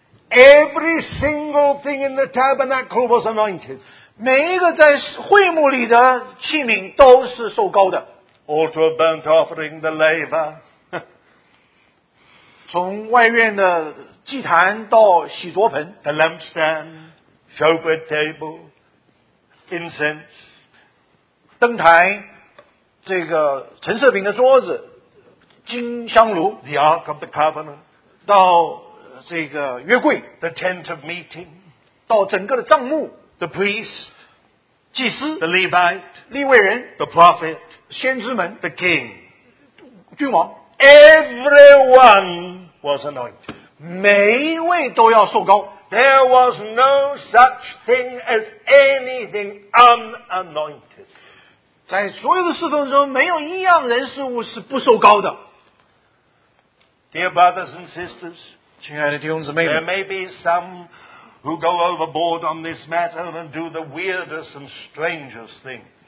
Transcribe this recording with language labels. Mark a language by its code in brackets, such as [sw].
[en] Every single thing in the tabernacle was anointed [zh] 每一个在会幕里的器皿都是受膏的 [en] Altar of burnt offering the laver [zh] 从外院的祭坛到洗濯盆 [en] the lampstandShowbread table, incense, [zh] 灯台，这个陈设饼的桌子，金香炉 [en] ，the ark of the covenant, [zh] 到这个约柜 [en] ，the tent of meeting, [zh] 到整个的帐幕 [en] ，the priest, [zh] 祭司 [en] ，the Levite, [zh] 利未人 [en] ，the prophet, [zh] 先知们 [en] ，the king, [zh] 君王 [en] ，everyone was anointed, [zh] 每一位都要受膏。 [en] There was no such thing as anything unanointed. [zh] 在所有的侍奉中没有一样人事物是不受膏的。 [en] Dear brothers and sisters, [zh] 亲爱的弟兄姊妹们, [en] there may be some who go overboard on this matter and do the weirdest and strangest thing.